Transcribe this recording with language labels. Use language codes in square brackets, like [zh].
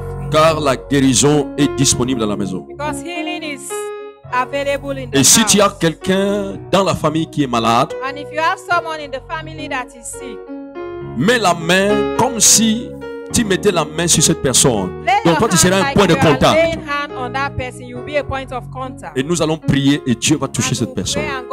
[fr] Car la guérison est disponible dans la maison. [en] Because healing is available in the [fr] Et si [en] house. [fr] Tu as quelqu'un dans la famille qui est malade, [en] And if you have someone in the family that is sick, [fr] mets la main comme si tu mettais la main sur cette personne. Donc toi tu seras un point de contact. Et nous allons prier et Dieu va toucher cette personne.